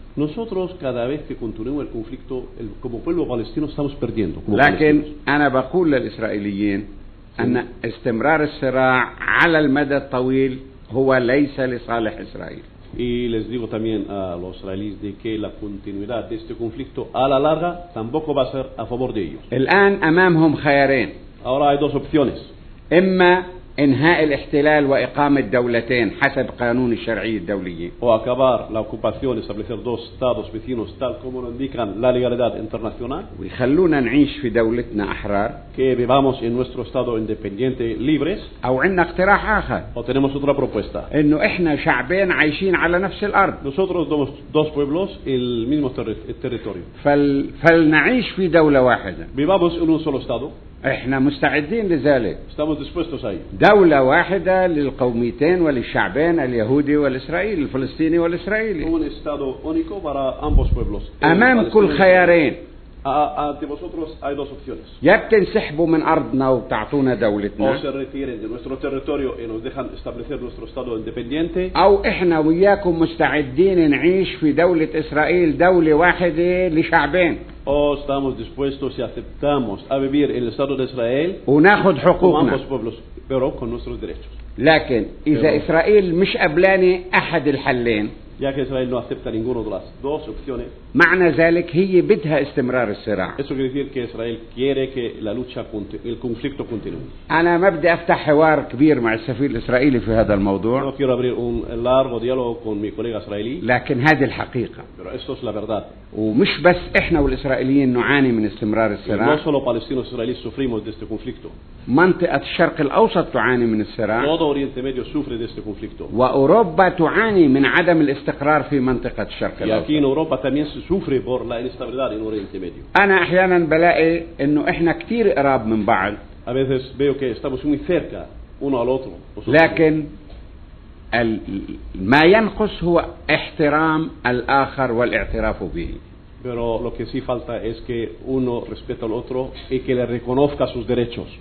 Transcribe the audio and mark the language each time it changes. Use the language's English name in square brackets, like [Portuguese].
[Spanish] Nosotros cada vez que continúa el conflicto, como pueblo palestino estamos perdiendo. [Arabic] لكن أنا بقول للإسرائيليين أن استمرار الصراع على المدى الطويل هو ليس لصالح إسرائيل. [Spanish] Y les digo también a los israelíes de que la continuidad de este conflicto a la larga tampoco va a ser a favor de ellos. [Arabic] الآن أمامهم خيارين. [Spanish] Ahora hay dos opciones. [Arabic] إما إنهاء الاحتلال وإقامة دولتين حسب قانون الشرعية الدولية. [Spanish] أو acabar la ocupación y establecer dos estados vecinos tal como lo indican la legalidad internacional. [Arabic] ويخلونا نعيش في دولتنا أحرار. [Spanish] Que vivamos en nuestro estado independiente libres. [Arabic] أو عندنا اقتراح آخر. [Spanish] O tenemos otra propuesta. [Arabic] إنه إحنا شعبين عايشين على نفس الأرض. [Spanish] Nosotros somos dos pueblos el mismo territorio. [Arabic] فلنعيش في دولة واحدة. [Spanish] Vivamos en un solo estado. [Arabic] احنا مستعدين لذلك. [Spanish] Estamos dispuestos a ello. [Arabic] دولة واحدة للقوميتين وللشعبين اليهودي والإسرائيلي الفلسطيني والإسرائيلي. [Spanish] Un estado único para ambos pueblos. [Arabic] أمام كل خيارين. [Spanish] Ante vosotros hay dos opciones. [Arabic] يا بتنسحبوا من أرضنا وتعطونا دولتنا. [Spanish] O se retiren de nuestro territorio y nos dejan establecer nuestro estado independiente. [Arabic] أو احنا وياكم مستعدين نعيش في دولة إسرائيل دولة واحدة لشعبين. [Spanish] O estamos dispuestos y aceptamos a vivir en el Estado de Israel [Arabic] وناخد حقوقنا. [Spanish] Con ambos pueblos, pero con nuestros derechos. [Arabic] لكن إذا [Spanish] pero... [Arabic] إسرائيل مش قبلاني أحد الحلين. [Spanish] Ya que Israel no acepta ninguno de las dos opciones. [Arabic] معنى ذلك هي بدها استمرار الصراع. [Spanish] Eso quiere decir que Israel quiere que la lucha continue, el conflicto continúe. [Arabic] أنا ما بدي أفتح حوار كبير مع السفير الإسرائيلي في هذا الموضوع. [Spanish] No quiero abrir un largo diálogo con mi colega israelí. [Arabic] لكن هذه الحقيقة. [Spanish] Pero esto es la verdad. [Arabic] ومش بس إحنا والإسرائيليين نعاني من استمرار الصراع. [Spanish] No solo palestinos israelíes sufrimos de este conflicto. [Arabic] منطقة الشرق الأوسط تعاني من الصراع. [Spanish] Todo Oriente Medio sufre de este conflicto. [Arabic] وأوروبا تعاني من عدم الاستقرار في منطقة الشرق الأوسط. [Spanish] Y aquí en Europa también sufre por la inestabilidad en Oriente Medio. [Arabic] أنا أحيانا بلاقي إنه إحنا كتير قراب من بعض. [Spanish] A veces veo que estamos muy cerca uno al otro. [Arabic] لكن ما ينقص هو احترام الآخر والاعتراف به. [Spanish] Pero lo que sí falta es que uno respete al otro y que le reconozca sus derechos.